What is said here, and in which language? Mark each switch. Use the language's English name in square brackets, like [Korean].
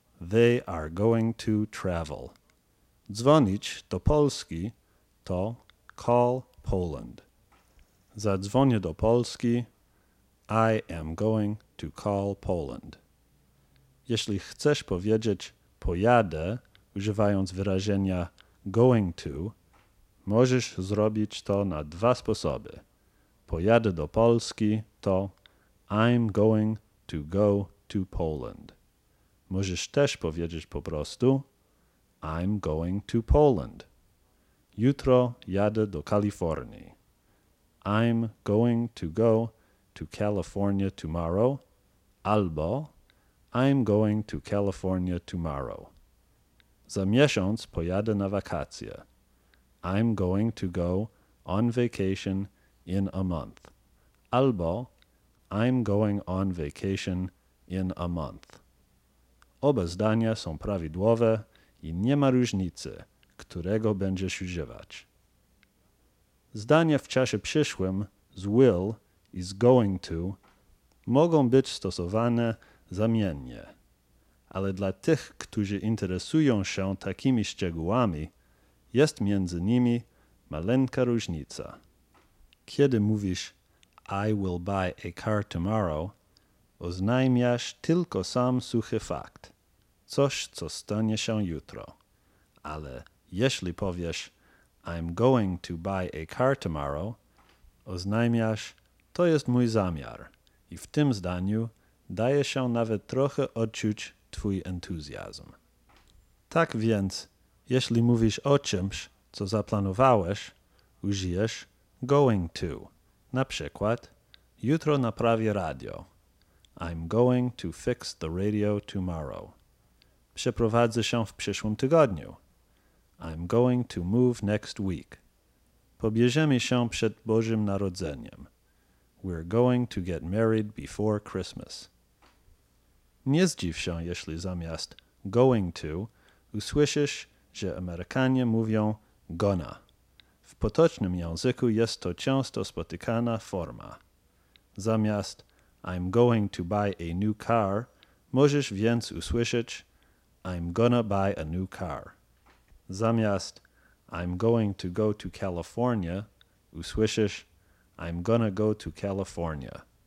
[English] They are going to travel. [Polish] Dzwonić do Polski to [English] call Poland. [Polish] Zadzwonię do Polski. [English] I am going to call Poland. [Polish] Jeśli chcesz powiedzieć pojadę, używając wyrażenia [English] going to, [Polish] możesz zrobić to na dwa sposoby. Pojadę do Polski to [English] I'm going to go to Poland. [Polish] Możesz też powiedzieć po prostu [English] I'm going to Poland. [Polish] Jutro jadę do Kalifornii. [English] I'm going to go to California tomorrow. [Polish] Albo [English] I'm going to California tomorrow. [Polish] Za miesiąc pojadę na wakacje. [English] I'm going to go on vacation in a month. [Polish] Albo [English] I'm going on vacation in a month. [Polish] Oba zdania są prawidłowe i nie ma różnicy, którego będziesz używać. Zdania w czasie przyszłym z will i z [English] going to [Polish] mogą być stosowane zamiennie. Ale dla tych, którzy interesują się takimi szczegółami, jest między nimi maleńka różnica. Kiedy mówisz [English] I will buy a car tomorrow, [Polish] oznajmiasz tylko sam suchy fakt. Coś, co stanie się jutro. Ale jeśli powiesz [English] I'm going to buy a car tomorrow, [Polish] oznajmiasz to jest mój zamiar i w tym zdaniu daje się nawet trochę odczuć twój entuzjazm. Tak więc, jeśli mówisz o czymś, co zaplanowałeś, użyjesz [English] going to. [Polish] Na przykład, jutro naprawię radio. [English] I'm going to fix the radio tomorrow. [Polish] Przeprowadzę się w przyszłym tygodniu. [English] I'm going to move next week. [Polish] Pobierzemy się przed Bożym Narodzeniem. [English] We're going to get married before Christmas. [Polish] Nie zdziw się, jeśli zamiast [English] going to [Polish] usłyszysz, że Amerykanie mówią gonna. W potocznym języku jest to często spotykana forma. Zamiast [English] I'm going to buy a new car, [Polish] możesz więc usłyszeć [English] I'm gonna buy a new car. [Polish] Zamiast [English] I'm going to go to California, [Polish] usłyszysz [English] I'm gonna go to California.